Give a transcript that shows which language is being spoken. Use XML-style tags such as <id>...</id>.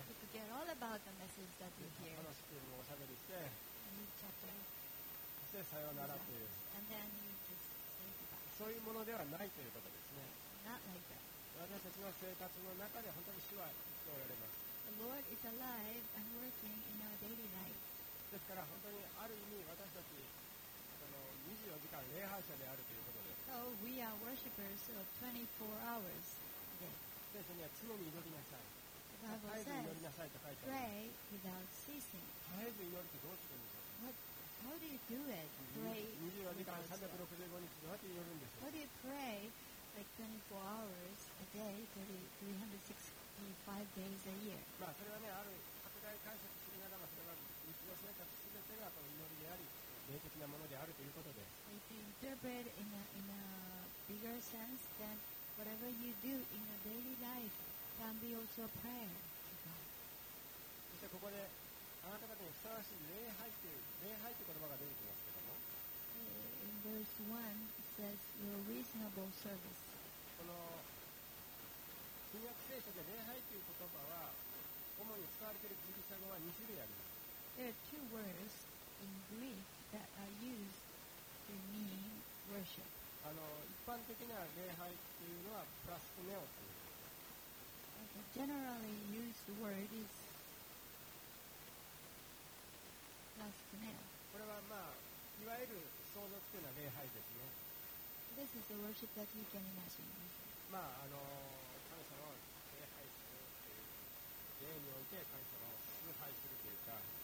<en>we forget all about the message that we hear.</en> <ja>楽しくおしゃべりして、</ja> <en>and you chat with us.</en> <ja>そしてさようならという。</ja> <en>And then you just</en> <ja>そういうものではないということですね。</ja> <en>Not like that.</en> <ja>私たちの生活の中で本当に主は生きておられます。</ja> <en>The Lord is alive and working in our daily life.</en> <ja>ですから本当にある意味私たち24時間礼拝者であるということです。</ja> <en>So we are worshippers of 24 hours a day.</en> <ja>聖書には常に祈りなさい。</ja> <en>The Bible says,</en> <ja>絶えず祈りなさいと書いてある。</ja> <en>Pray without ceasing.</en> <ja>絶えず祈るってどうするんですか？</ja> <en>How do you do it? Pray</en> <ja>24時間365日どうやって祈るんでしょう。</ja> <en>How do you pray like 24 hours a day, 365 days a year?</en> <ja>まあそれはね、ある拡大解釈しながらそれは日常生活すべてがこの祈りであり霊的なものであるということで。</ja> <en>If you interpret in a bigger sense, then whatever you do in a daily life can be also prayer to God.</en> <ja>そしてここで。あなた方にふさわしい礼拝という礼拝という言葉が出てきますけども、</ja> <en>In verse 1 it says your reasonable service.</en> <ja>この新約聖書で礼拝という言葉は主に使われているギリシャ語は2種類あります。</ja> <en>There are two words in Greek that are used to mean worship.</en> <ja>一般的な礼拝というのはプラスクネオという。</ja> <en>The generally used word is</en> <ja>これはまあいわゆる創造というのは礼拝ですね。</ja> <en>This is the worship that you can imagine.</en> <ja>まあ神様を礼拝するという礼において神様を崇拝するというか。</ja>